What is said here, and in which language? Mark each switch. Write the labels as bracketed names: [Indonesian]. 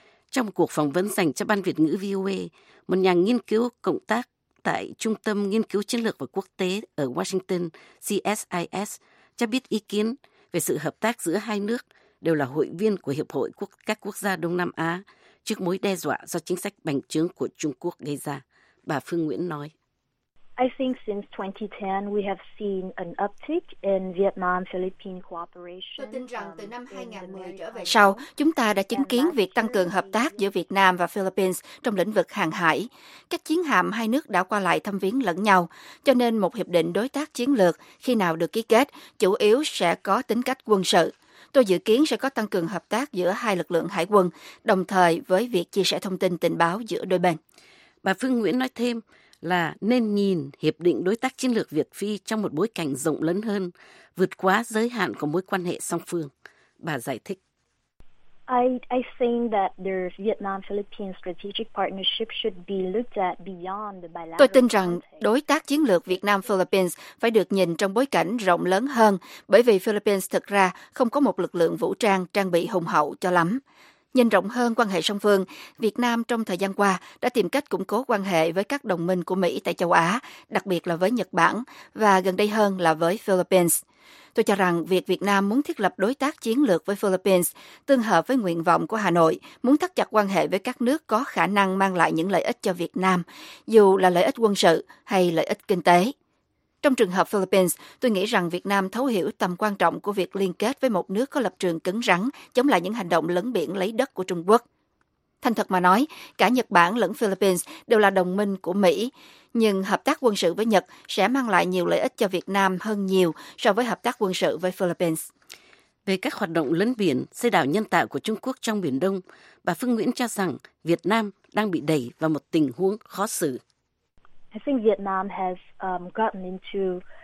[Vietnamese] Trong một cuộc phỏng vấn dành cho Ban Việt ngữ VOA, một nhà nghiên cứu cộng tác tại Trung tâm Nghiên cứu Chiến lược và Quốc tế ở Washington, CSIS, cho biết ý kiến về sự hợp tác giữa hai nước đều là hội viên của Hiệp hội các quốc gia Đông Nam Á trước mối đe dọa do chính sách bành trướng của Trung Quốc gây ra. Bà Phương Nguyễn nói. [English] I think since 2010 we have seen an uptick in Vietnam-Philippine cooperation. [Vietnamese] Tôi tin rằng từ năm 2010 trở về sau, chúng ta đã chứng kiến việc tăng cường hợp tác giữa Việt Nam và Philippines trong lĩnh vực hàng hải. Các chiến hạm hai nước đã qua lại thăm viếng lẫn nhau, cho nên một hiệp định đối tác chiến lược khi nào được ký kết chủ yếu sẽ có tính cách quân sự. Tôi dự kiến sẽ có tăng cường hợp tác giữa hai lực lượng hải quân, đồng thời với việc chia sẻ thông tin tình báo giữa đôi bên. Bà Phương Nguyễn nói thêm là nên nhìn Hiệp định Đối tác Chiến lược Việt-Phi trong một bối cảnh rộng lớn hơn, vượt quá giới hạn của mối quan hệ song phương. Bà giải thích. [English] I think that the Vietnam-Philippine strategic partnership should be looked at beyond the bilateral. [Vietnamese] Tôi tin rằng đối tác chiến lược Việt Nam-Philippines phải được nhìn trong bối cảnh rộng lớn hơn, bởi vì Philippines thực ra không có một lực lượng vũ trang trang bị hùng hậu cho lắm. Nhìn rộng hơn quan hệ song phương, Việt Nam trong thời gian qua đã tìm cách củng cố quan hệ với các đồng minh của Mỹ tại châu Á, đặc biệt là với Nhật Bản, và gần đây hơn là với Philippines. Tôi cho rằng việc Việt Nam muốn thiết lập đối tác chiến lược với Philippines tương hợp với nguyện vọng của Hà Nội, muốn thắt chặt quan hệ với các nước có khả năng mang lại những lợi ích cho Việt Nam, dù là lợi ích quân sự hay lợi ích kinh tế. Trong trường hợp Philippines, tôi nghĩ rằng Việt Nam thấu hiểu tầm quan trọng của việc liên kết với một nước có lập trường cứng rắn chống lại những hành động lấn biển lấy đất của Trung Quốc. Thành thật mà nói, cả Nhật Bản lẫn Philippines đều là đồng minh của Mỹ, nhưng hợp tác quân sự với Nhật sẽ mang lại nhiều lợi ích cho Việt Nam hơn nhiều so với hợp tác quân sự với Philippines. Về các hoạt động lấn biển, xây đảo nhân tạo của Trung Quốc trong Biển Đông, bà Phương Nguyễn cho rằng Việt Nam đang bị đẩy vào một tình huống khó xử. [English] I think Vietnam has gotten into